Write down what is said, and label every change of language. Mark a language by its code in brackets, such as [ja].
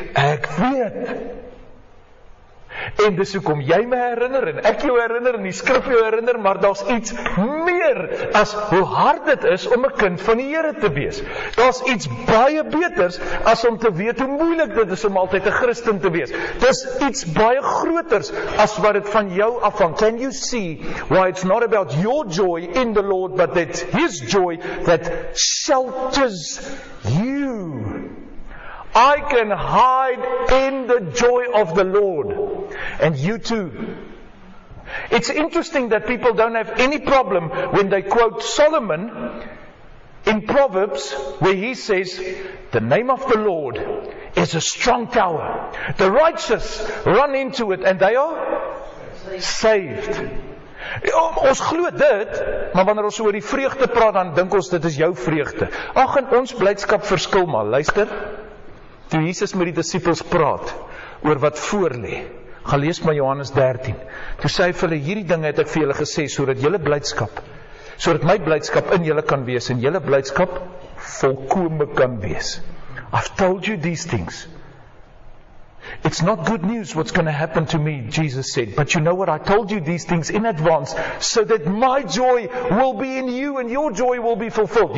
[af] Ek weet. En dis hoekom jy my herinner en ek jou herinner en die skrif jou herinner, maar daar's iets meer as hoe hard dit is om 'n kind van die Here te wees. Daar's iets baie beters as om te weet hoe moeilik dit is om altyd 'n Christen te wees. Dis iets baie groters as wat dit van jou afhang. [en] Can you see why it's not about your joy in the Lord, but that His joy that shelters you. I can hide in the joy of the Lord. And you too. It's interesting that people don't have any problem when they quote Solomon in Proverbs, where he says, the name of the Lord is a strong tower. The righteous run into it and they are saved. [af] Ons glo dit, maar wanneer ons oor die vreugde praat, dan dink ons dit is jou vreugde. Ag, en ons blydskap verskil maar. Luister, toe Jesus met die disippels praat oor wat voor lê. Gaan lees maar Johannes 13. Toe sê hy vir hulle, hierdie dinge het ek vir julle gesê, sodat my blydskap in julle kan wees, en julle blydskap volkome kan wees. [en] I've told you these things. It's not good news what's going to happen to me, Jesus said. But you know what, I told you these things in advance, so that my joy will be in you, and your joy will be fulfilled.